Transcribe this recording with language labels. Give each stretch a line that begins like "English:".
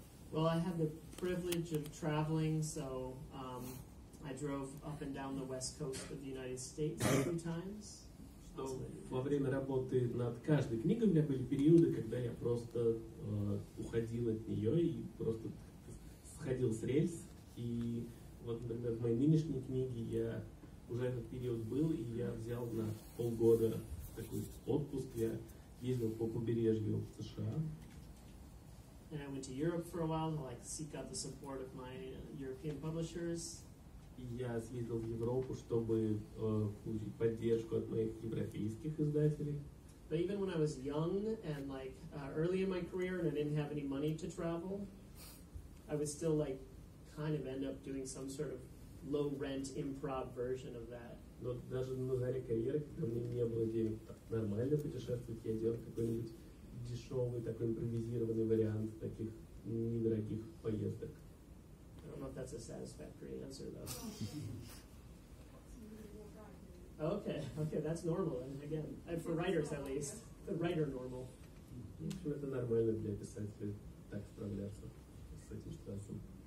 English: Well, I had the privilege of traveling, so I drove up and down the west coast of the United States a few times.
Russian: Во время работы над каждой книгой у меня были периоды, когда я просто уходил от нее и просто сходил с рельс. И вот, например, в моей нынешней книге я уже этот период был, и я взял на полгода такой отпуск. Я ездил по побережью США.
English: And I went to Europe for a while to, like, seek out the support of my European publishers.
Russian: Я съездил в Европу, чтобы получить поддержку от моих европейских издателей.
English: But even when I was young and, like, early in my career and I didn't have any money to travel, I would still, like, kind of end up doing some sort of low-rent improv version of that.
Russian: Но даже на заре карьеры, когда мне не было денег нормально путешествовать, я делал какой-нибудь дешевый такой импровизированный вариант таких недорогих поездок.
English: I don't know if that's a satisfactory answer, though. Okay, that's normal. And again, for writers at least, the writer normal.
Russian: Это нормально для писателя так справляться с этим стрессом.